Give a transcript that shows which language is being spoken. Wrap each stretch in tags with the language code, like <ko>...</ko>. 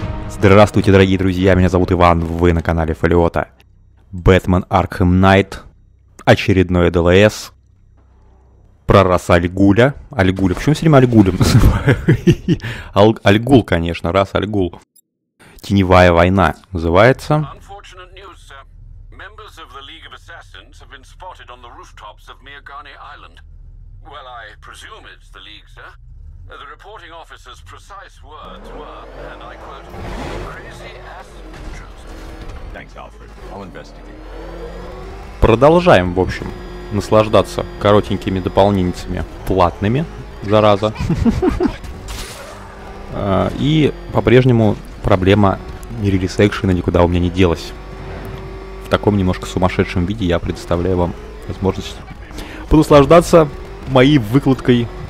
<ru>Здравствуйте, дорогие друзья, меня зовут Иван, вы на канале Фолиота. Batman Arkham Knight, очередной ДЛС, про раса Альгуля. Альгуля, почему все время Альгулем называют? Альгул, конечно, рас Альгул. Теневая война называется.</ru> <en>Unfortunate news, sir. Members of the League of Assassins have been spotted on the rooftops of Mirgani Island. Well, I presume it's the League, sir. The reporting officer's precise words were, and I quote, crazy ass Joseph. Thanks, Alfred. I'll investigate.</en> <ru>Продолжаем, в общем, наслаждаться коротенькими дополнениями, платными, зараза. И по-прежнему проблема нерелиз экшена никуда у меня не делась. В таком немножко сумасшедшем виде я предоставляю вам возможность понаслаждаться моей выкладкой.</ru>